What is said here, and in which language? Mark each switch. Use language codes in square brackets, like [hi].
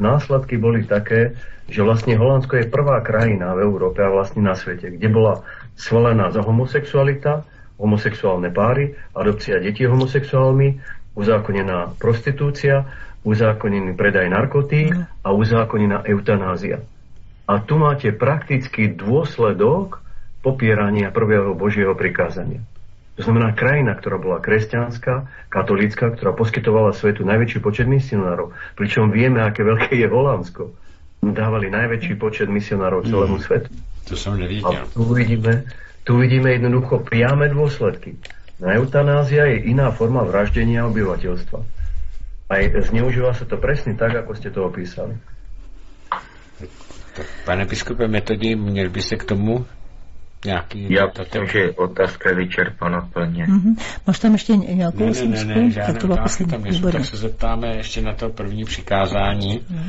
[sk] Následky byly také, že vlastně Holandsko je prvá krajina v Evropě a vlastně na světě, kde byla svolená za homosexualita, homosexuální páry, adopcia dětí homosexuálmi, uzákoněná prostitúcia, uzákoněný predaj narkotík a uzákoněná eutanázia. A tu máte prakticky dôsledok popierania prvého Božieho prikázania. To znamená, krajina, ktorá bola kresťanská, katolická, ktorá poskytovala svetu najväčší počet misionárov, pričom vieme, aké veľké je Holandsko, dávali najväčší počet misionárov celému svetu. To som nevidel. A tu vidíme jednoducho priame dôsledky. Na eutanázia je iná forma vraždenia obyvateľstva. A zneužíva sa to presne tak, ako ste to opísali. [cs] Pane biskupe Metodí, měl byste k tomu nějaký... Já myslím, že otázka je vyčerpána plně. Máš tam ještě nějakou osmičku? Ne, žádné otázky tam nejsou. Tak se zeptáme ještě na to první přikázání.